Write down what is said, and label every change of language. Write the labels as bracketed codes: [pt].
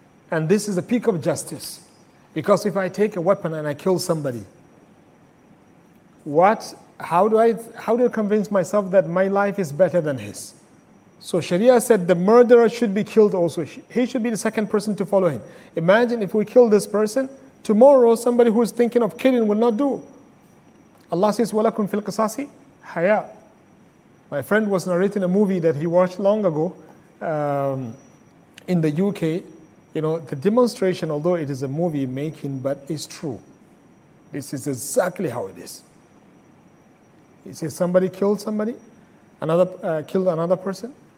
[en] And this is the peak of justice. Because if I take a weapon and I kill somebody, how do I convince myself that my life is better than his? So Sharia said the murderer should be killed also. He should be the second person to follow him. Imagine if we kill this person, tomorrow somebody who is thinking of killing will not do. Allah says, [ar] وَلَكُمْ فِي الْقِصَاصِ حَيَا. [en] My friend was narrating a movie that he watched long ago in the UK. You know, the demonstration, although it is a movie making, but it's true. This is exactly how it is. He says somebody killed somebody, killed another person.